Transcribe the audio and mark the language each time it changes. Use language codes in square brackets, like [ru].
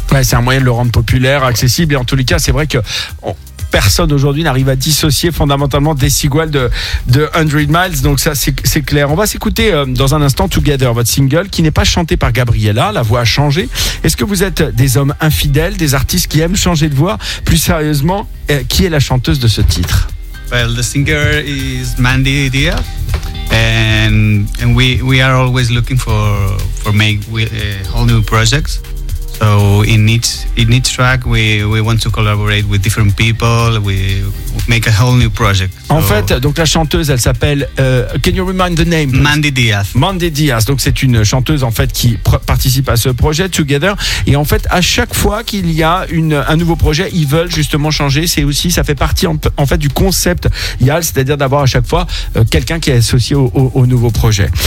[fr] Ouais, c'est un moyen de le rendre populaire, accessible. Et en tous les cas, c'est vrai que personne aujourd'hui n'arrive à dissocier fondamentalement Desigual de 100 Miles. Donc ça, c'est clair. On va s'écouter dans un instant Together, votre single, qui n'est pas chanté par Gabriella. La voix a changé. Est-ce que vous êtes des hommes infidèles, des artistes qui aiment changer de voix? Plus sérieusement, qui est la chanteuse de ce titre? [en] Well, the singer is Mandy Dia, and we are always looking for make whole new projects. So in each track we want to collaborate with different people, we make a whole new project. [fr] En fait, donc la chanteuse, elle s'appelle [en] can you remind the name? [fr] Mandy Diaz. Donc c'est une chanteuse en fait qui participe à ce projet Together, et en fait à chaque fois qu'il y a un nouveau projet, ils veulent justement changer. C'est aussi, ça fait partie en fait du concept YAL, c'est-à-dire d'avoir à chaque fois quelqu'un qui est associé au nouveau projet.